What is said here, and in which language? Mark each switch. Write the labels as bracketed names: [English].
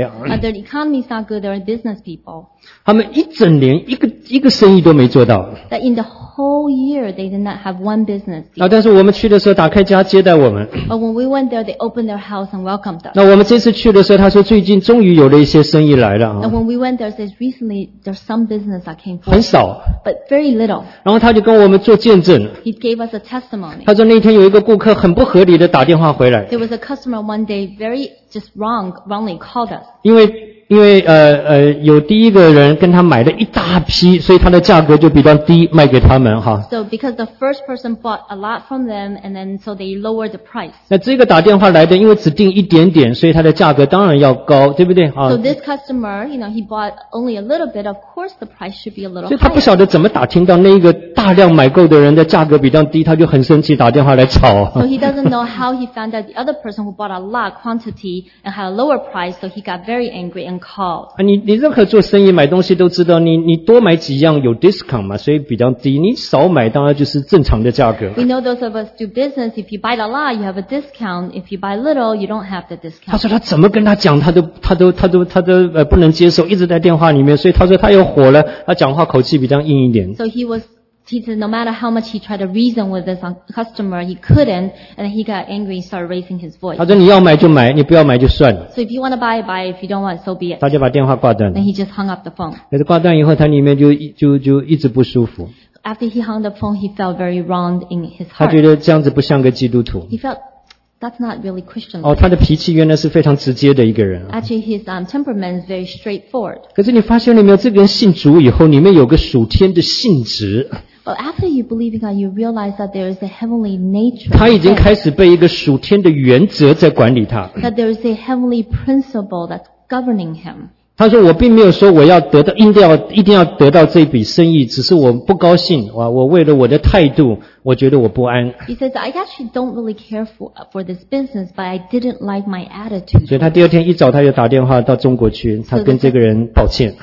[English] 啊 Their economy is not good they're business people [Chinese] 他们一整年一个生意都没做到。 [English] That in the whole year they did not have one business. [Chinese] 啊，但是我们去的时候打开家接待我们。 [English] But when we went there, they opened their house and welcomed us. [Chinese] 那我们这次去的时候，他说最近终于有了一些生意来了。 [English] And when we went there, they said recently there's some business that came. [Chinese] 很少。 [English] But very little. [Chinese] 然后他就跟我们做见证。 [English] He gave us a testimony. [Chinese] 他说那天有一个顾客很不合理的打电话回来。 [English] There was a customer one day very just wrongly called us. [Chinese] 因为有第一个人跟他买了一大批，所以他的价格就比较低，卖给他们哈。 [English] So because the first person bought a lot from them, and then so they lowered the price. [Chinese] 那这个打电话来的，因为只订一点点，所以他的价格当然要高，对不对啊 [English] ？So this customer, you know, he bought only a little bit. Of course, the price should be a little higher. [Chinese] 所以他不晓得怎么打听到那一个大量买购的人的价格比较低，他就很生气，打电话来吵。 [English] So he doesn't know how he found out the other person who bought a lot quantity and had a lower price, so he got very angry and called. [Chinese] 你任何做生意买东西都知道，你多买几样有 discount 嘛，所以比较低。你少买当然就是正常的价格。 [English] We know those of us do business. If you buy a lot, you have a discount. If you buy little, you don't have the discount. [Chinese] 他说他怎么跟他讲，他都不能接受，一直在电话里面，所以他说他又火了，他讲话口气比较硬一点。 [English] So he said no matter how much he tried to reason with this customer, he couldn't, and he got angry and started raising his voice. [Chinese] 他说你要买就买，你不要买就算了。 [English] So if you want to buy, buy. If you don't want, so be it. [Chinese] 他就把电话挂断了。 [English] And he just hung up the phone. [Chinese] 但是挂断以后，他里面就一直不舒服。 [English] After he hung the phone, he felt very wrong in his heart. [Chinese] 他觉得这样子不像个基督徒。 [English] He felt that's not really Christian. [Chinese] 哦，他的脾气原来是非常直接的一个人。 [English] Actually, his temperament is very straightforward. [Chinese] 可是你发现了没有，这个人信主以后，里面有个属天的性质。 [English] But after you believe in God, you realize that there is a heavenly nature. [Chinese] 他已经开始被一个属天的原则在管理他。 [English] That there is a heavenly principle that's governing him. [Chinese] 他说我并没有说我要得到，一定要得到这笔生意，只是我不高兴，我为了我的态度，我觉得我不安。 [English] He says, I actually don't really care for this business, but I didn't like my attitude. [Chinese] 所以他第二天一早他就打电话到中国去，他跟这个人抱歉。